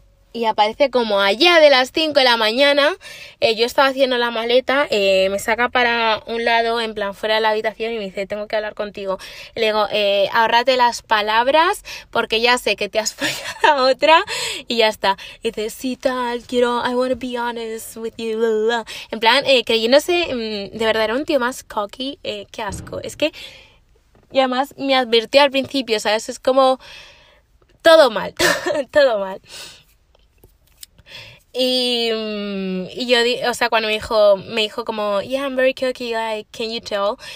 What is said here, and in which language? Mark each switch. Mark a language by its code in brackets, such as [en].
[es] Y aparece como allá de las 5 de la mañana, yo estaba haciendo la maleta, me saca para un lado, en plan fuera de la habitación, y me dice, tengo que hablar contigo. Le digo, ahórrate las palabras, porque ya sé que te has follado a otra, y ya está. Y dice, sí, tal, quiero, [en] I want to be honest with you, blah, blah. [es] En plan, creyéndose, de verdad, era un tío más cocky, qué asco. Es que, y además, me advirtió al principio, ¿sabes? Es como, todo mal, todo mal. Y yo, di o sea, cuando me dijo como, [en] yeah, I'm very cocky, like, can you tell?